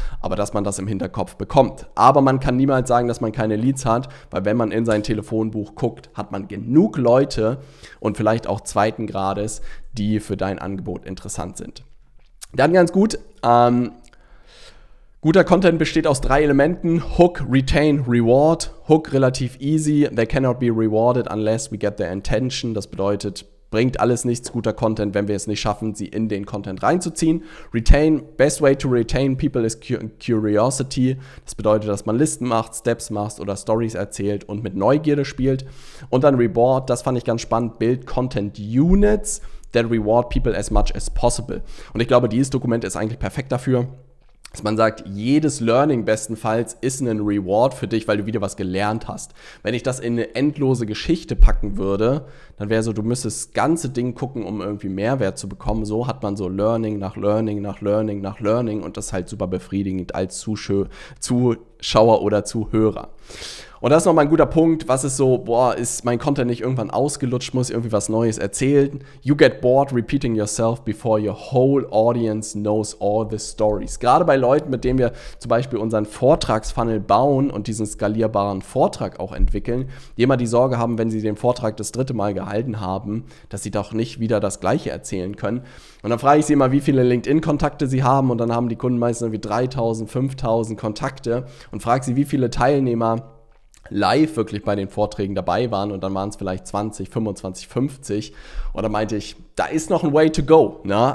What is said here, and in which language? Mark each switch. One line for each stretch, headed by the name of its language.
German: Aber dass man das im Hinterkopf bekommt. Aber man kann niemals sagen, dass man keine Leads hat, weil wenn man in sein Telefonbuch guckt, hat man genug Leute und vielleicht auch zweiten Grades, die für dein Angebot interessant sind. Dann ganz gut, guter Content besteht aus 3 Elementen, Hook, Retain, Reward.
English: Hook
German: relativ
English: easy, they cannot be rewarded unless we get their intention.
German: Das bedeutet, bringt alles nichts, guter Content, wenn wir es nicht schaffen, sie in den Content reinzuziehen.
English: Retain, best way to retain people is curiosity.
German: Das bedeutet, dass man Listen macht, Steps macht oder Stories erzählt und mit Neugierde spielt. Und dann Reward, das fand ich ganz spannend,
English: build Content Units that reward people as much as possible.
German: Und ich glaube, dieses Dokument ist eigentlich perfekt dafür, dass man sagt, jedes Learning bestenfalls ist ein Reward für dich, weil du wieder was gelernt hast. Wenn ich das in eine endlose Geschichte packen würde, dann wäre so, du müsstest das ganze Ding gucken, um irgendwie Mehrwert zu bekommen. So hat man so Learning nach Learning nach Learning nach Learning und das ist halt super befriedigend als Zuschauer oder Zuhörer. Und das ist nochmal ein guter Punkt, was ist so, boah, ist mein Content nicht irgendwann ausgelutscht, muss irgendwie was Neues erzählen.
English: You get bored repeating yourself before your whole audience knows all the stories.
German: Gerade bei Leuten, mit denen wir zum Beispiel unseren Vortragsfunnel bauen und diesen skalierbaren Vortrag auch entwickeln, die immer die Sorge haben, wenn sie den Vortrag das dritte Mal gehalten haben, dass sie doch nicht wieder das Gleiche erzählen können. Und dann frage ich sie immer, wie viele LinkedIn-Kontakte sie haben und dann haben die Kunden meistens irgendwie 3.000, 5.000 Kontakte und frage sie, wie viele Teilnehmer live wirklich bei den Vorträgen dabei waren und dann waren es vielleicht 20, 25, 50 oder meinte ich, da ist noch ein
English: way to go,
German: ne?